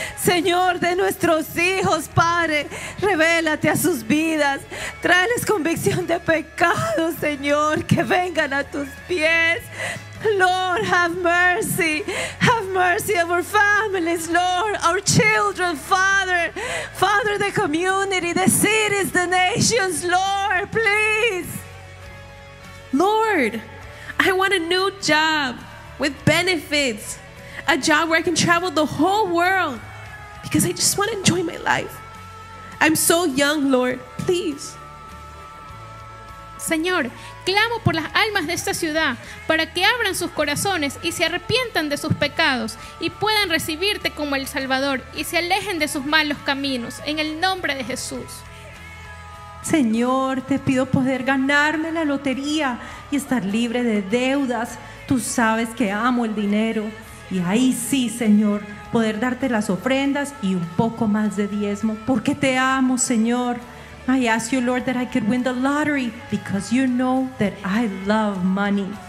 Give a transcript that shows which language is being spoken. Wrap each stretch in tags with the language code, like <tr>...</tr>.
<es>Señor, de nuestros hijos, Padre, revélate a sus vidas. Tráeles convicción de pecado, Señor, que vengan a tus pies.</es> <en>Lord, have mercy of our families, Lord, our children, Father, Father, the community, the cities, the nations, Lord, please. Lord, I want a new job with benefits, a job where I can travel the whole world because I just want to enjoy my life. I'm so young, Lord, please.</en> <es>Señor, clamo por las almas de esta ciudad para que abran sus corazones y se arrepientan de sus pecados y puedan recibirte como el Salvador y se alejen de sus malos caminos en el nombre de Jesús. Señor, te pido poder ganarme la lotería y estar libre de deudas. Tú sabes que amo el dinero y ahí sí, Señor, poder darte las ofrendas y un poco más de diezmo porque te amo, Señor.</es> <en>I ask you, Lord, that I could win the lottery because you know that I love money.</en>